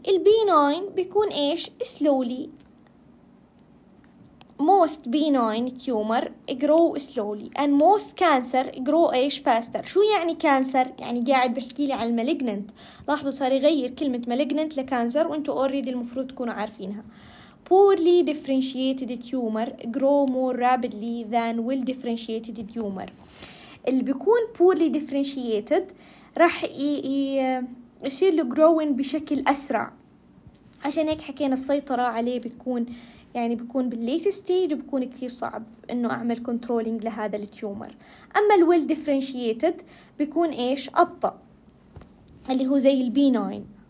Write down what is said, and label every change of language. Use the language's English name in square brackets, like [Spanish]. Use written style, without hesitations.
[Arabic] البي 9 بيكون ايش؟ سلولي. [English] most be 9 tumour grow سلولي and most cancer grow [Arabic] ايش؟ [English] Faster. [Arabic] شو يعني كانسر؟ يعني قاعد بحكي لي عن المالجننت. لاحظوا صار يغير كلمه مالجننت لكانسر، وانتم اوريدي المفروض تكونوا عارفينها. [English] poorly differentiated tumor grow more rapidly than well differentiated tumor. [Arabic] اللي بيكون poorly differentiated راح يصير له growing بشكل أسرع، عشان هيك حكينا السيطرة عليه بتكون يعني بيكون بالlate stage، وبيكون كثير صعب إنه أعمل controlling لهذا التيومر. أما ال well differentiated بيكون إيش؟ أبطأ، اللي هو زي ال B9.